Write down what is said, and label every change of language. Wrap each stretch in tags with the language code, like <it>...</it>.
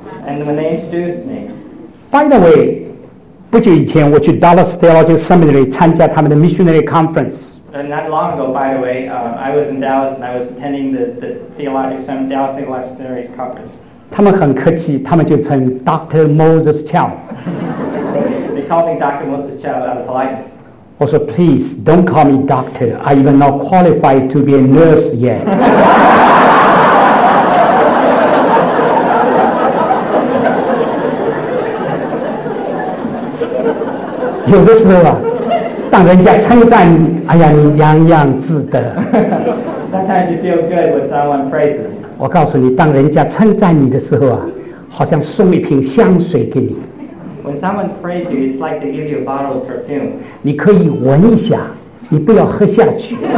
<en>And when they introduced me. By the way，</en> <zh>不久以前我去 Dallas Theological Seminary 参加他们的 Missionary Conference。</zh> <en>Not long ago, by the way, I was in Dallas and I was attending the theological seminary, Dallas Theological Seminary's conference.</en> <zh>他们很客气，他们就称 Dr. Moses Chow.</zh> <en>They called me Dr. Moses Chow out of politeness.</en> <zh>我说</zh> <en>please don't call me doctor. I even not qualified to be a nurse yet.</en> <zh>有的时候啊。当人家称赞你，哎呀，你洋洋自得。</zh> <en>Sometimes you feel good when someone praises you.</en> <zh>我告诉你，当人家称赞你的时候啊，好像送一瓶香水给你。</zh> <en>When someone praises you, it's like they give you a bottle of perfume.</en> <zh>你可以闻一下，你不要喝下去。</zh>